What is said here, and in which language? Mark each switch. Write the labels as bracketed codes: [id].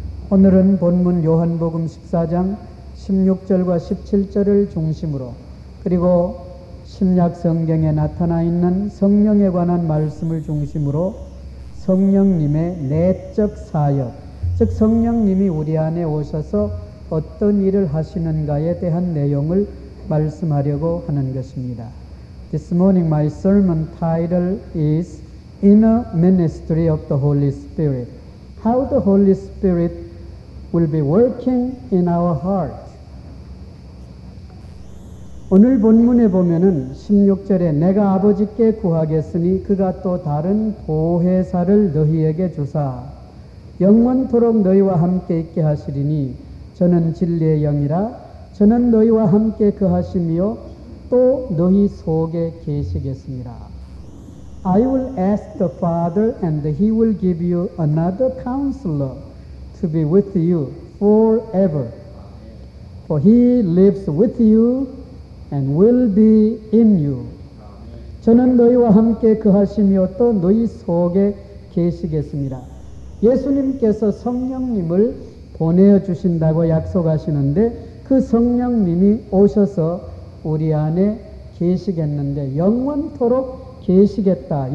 [ko] 오늘은 본문 요한복음 14장 16절과 17절을 중심으로 그리고 신약성경에 나타나 있는 성령에 관한 말씀을 중심으로 성령님의 내적 사역, 즉 성령님이 우리 안에 오셔서 어떤 일을 하시는가에 대한 내용을 말씀하려고 하는 것입니다. [en] This morning my sermon title is Inner Ministry of the Holy Spirit. How the Holy Spirit will be working in our heart. [ko] 오늘 본문에 보면은 16절에 내가 아버지께 구하겠으니 그가 또 다른 보혜사를 너희에게 주사 영원토록 너희와 함께 있게 하시리니 저는 진리의 영이라 저는 너희와 함께 거하시며 또 너희 속에 계시겠습니다. [en] I will ask the Father and he will give you another counselor to be with you forever. For he lives with you and will be in you. [ko] 저는 너희와 함께 거하시며 또 너희 속에 계시겠습니다. 예수님께서 성령님을 보내주신다고 약속하시는데 그 성령님이 오셔서 우리 안에 계시겠는데 영원토록 계시겠다.